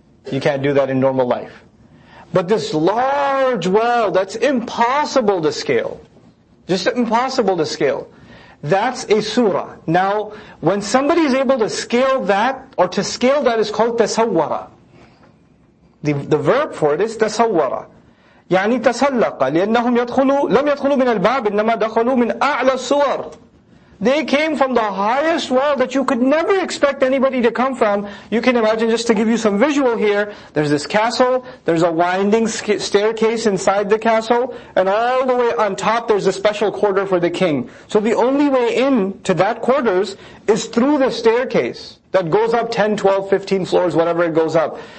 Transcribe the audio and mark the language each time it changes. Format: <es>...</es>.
<en>You can't do that in normal life. But this large wall, that's impossible to scale. Just impossible to scale. That's a surah. Now, when somebody is able to scale that, or to scale that, is called tasawwara. The verb for it is tasawwara.</en> <ar>يعني تسلق لأنهم يدخلوا لم يدخلوا من الباب إنما دخلوا من أعلى الصور</ar> <en>They came from the highest well that you could never expect anybody to come from. You can imagine, just to give you some visual here, there's this castle, there's a winding staircase inside the castle, and all the way on top there's a special quarter for the king. So the only way in to that quarters is through the staircase that goes up 10, 12, 15 floors, whatever it goes up.</en>